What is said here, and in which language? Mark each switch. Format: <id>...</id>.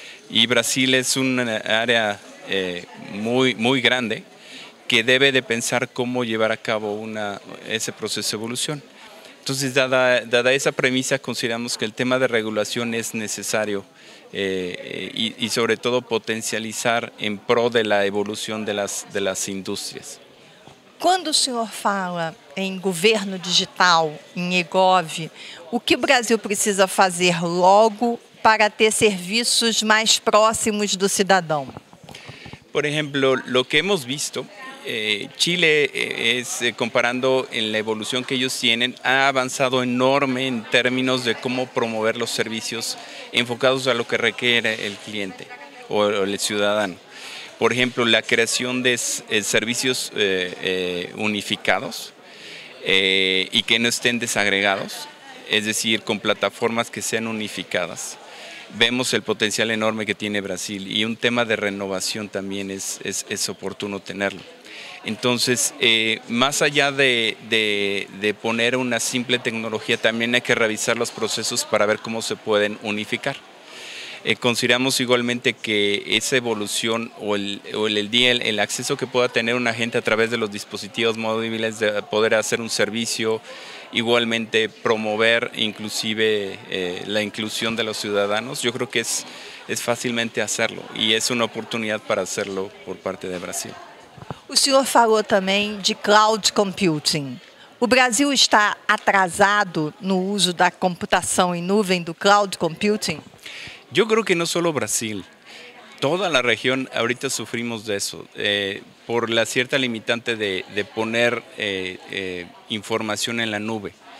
<es>Y Brasil es un área muy, muy grande que debe de pensar cómo llevar a cabo ese proceso de evolución. Entonces, dada esa premisa, consideramos que el tema de regulación es necesario y sobre todo potencializar en pro de la evolución de las industrias.</es> <pt>Quando o senhor fala em governo digital, em e-gov, o que o Brasil precisa fazer logo para ter serviços mais próximos do cidadão? Por exemplo, o que</pt> <es>hemos visto,</es> <pt>Chile, comparando em la evolução que eles têm, ha avançado enorme em termos de como promover os serviços enfocados</pt> <es>a lo que requiere</es> <pt>o cliente ou o ciudadano.</pt> <es>Por ejemplo, la creación de servicios unificados y que no estén desagregados, es decir, con plataformas que sean unificadas. Vemos el potencial enorme que tiene Brasil y un tema de renovación también es oportuno tenerlo. Entonces, más allá de poner una simple tecnología, también hay que revisar los procesos para ver cómo se pueden unificar. Consideramos igualmente que esa evolución o el acceso que pueda tener una gente a través de los dispositivos móviles de poder hacer un servicio, igualmente promover inclusive la inclusión de los ciudadanos, yo creo que es fácilmente hacerlo y es una oportunidad para hacerlo por parte de Brasil.</es> <pt>O senhor falou também de cloud computing. O Brasil está atrasado no uso da computação em nuvem, do cloud computing?</pt> <es>Yo creo que no solo Brasil, toda la región ahorita sufrimos de eso, por la cierta limitante de poner información en la nube.</es>